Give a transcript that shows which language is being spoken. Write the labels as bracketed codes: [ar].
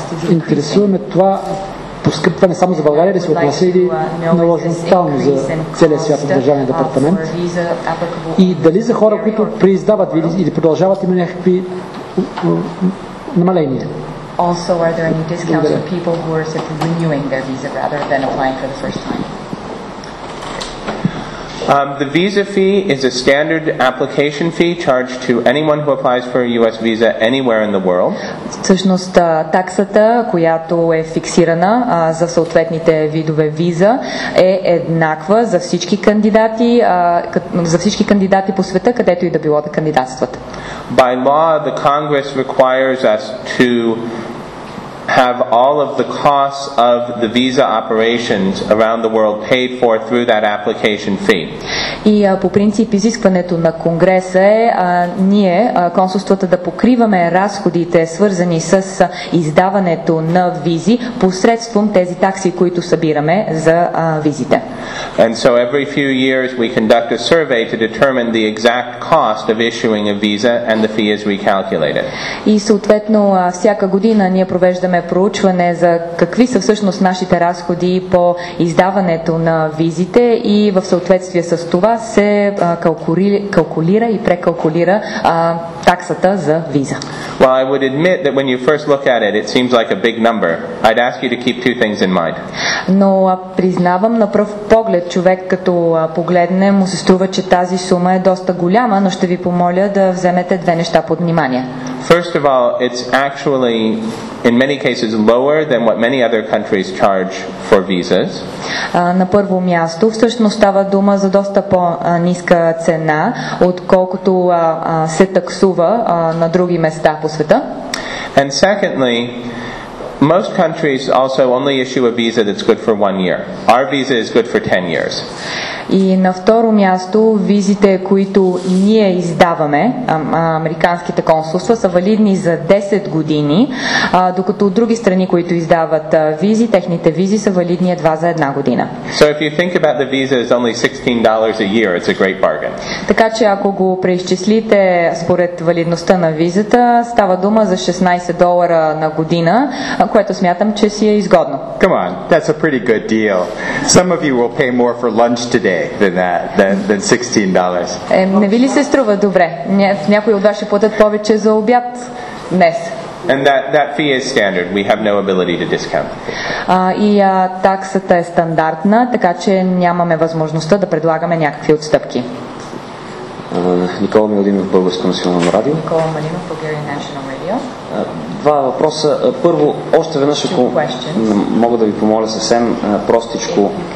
[bg] Интересуваме това поскъпване само за България, да се отнася или наложено тотално за целия свят от Държавния департамент? И дали за хора, които преиздават или продължават, има някакви намаления? [en] Also, are there any discounts for people who are simply renewing their visa rather than applying for the first time? The visa fee is a standard application fee charged to anyone who applies for a U.S. visa anywhere in the world. [bg] Всъщност таксата, която е фиксирана за съответните видове виза, е еднаква за всички кандидати, за всички кандидати по света, където и да било да кандидатстват. [en] By law, the Congress requires us to have all of the costs of the visa operations around the world paid for through that application fee. [bg] И по принцип изискването на Конгреса е ние, консулствата, да покриваме разходите, свързани с издаването на визи посредством тези такси, които събираме за визите. [en] And so every few years we conduct a survey to determine the exact cost of issuing a visa and the fee is recalculated. [bg] И съответно всяка година ние провеждаме проучване за какви са всъщност нашите разходи по издаването на визите и в съответствие с това се калкулира и прекалкулира таксата за виза. [en] Well, I would admit that when you first look at it, it seems like a big number. I'd ask you to keep two things in mind. [bg] Но признавам, на пръв поглед човек като погледне, му се струва, че тази сума е доста голяма, но ще ви помоля да вземете две неща под внимание. [en] First of all, it's actually in many cases lower than what many other countries charge for visas. [bg] На първо място, всъщност става дума за доста по-ниска цена, отколкото се таксува на други места по света. [en] And secondly, most countries also only issue a visa that's good for 1 year. Our visa is good for 10 years. [bg] И на второ място, визите, които ние издаваме, американските консулства, са валидни за 10 години, докато от други страни, които издават визи, техните визи са валидни едва за една година. [en] So if you think about the visa is only $16 a year, it's a great bargain. [bg] Така че ако го преизчислите според валидността на визата, става дума за $16 на година, което смятам, че си е изгодно. [en] Come on, that's a pretty good deal. Some of you will pay more for lunch today. Than $16. [bg] Не ви ли се струва добре? Някой от вас ще платят повече за обяд днес. [en] And that fee is standard. We have no ability to discount. [bg] Таксата е стандартна, така че нямаме възможността да предлагаме някакви отстъпки. Никола Малинов, Българско национално радио. [en] Никола Малинов, Bulgarian National Radio. [bg] Два въпроса. Първо, още веднъж, ако мога да ви помоля съвсем простичко.